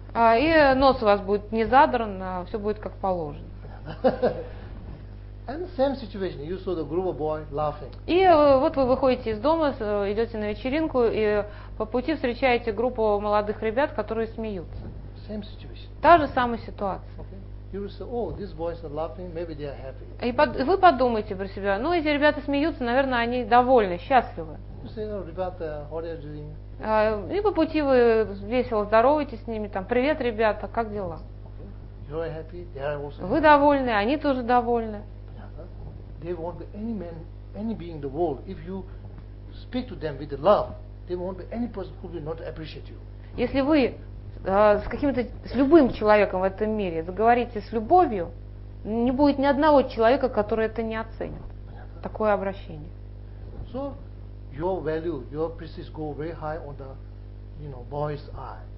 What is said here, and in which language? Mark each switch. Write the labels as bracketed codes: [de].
[ru] И нос у вас будет не задран, а все будет как положено. [en] And same situation, you saw the group of boys laughing. [ru] И вот вы выходите из дома, идете на вечеринку, и по пути встречаете группу молодых ребят, которые смеются. [en] Same situation. [ru] Та же самая ситуация. [en] You will say, oh, these boys are laughing, maybe they are happy. [ru] И вы подумаете про себя, ну эти ребята смеются, наверное, они довольны, счастливы. [en] You say, oh, [ru] ребята, [en] how are you doing? [ru] И по пути вы весело здороваетесь с ними, там, привет, ребята, как дела? [en] You are happy, they are also happy. [ru] Вы довольны, они тоже довольны. [en] They won't be any man, any being in the world. If you speak to them with love, they won't be any person who will not appreciate you. [ru] Если вы с каким-то, с любым человеком в этом мире заговорите с любовью, не будет ни одного человека, который это не оценит. Такое обращение. [en] So, your value, your prestige go very high on the, you know, boy's eye.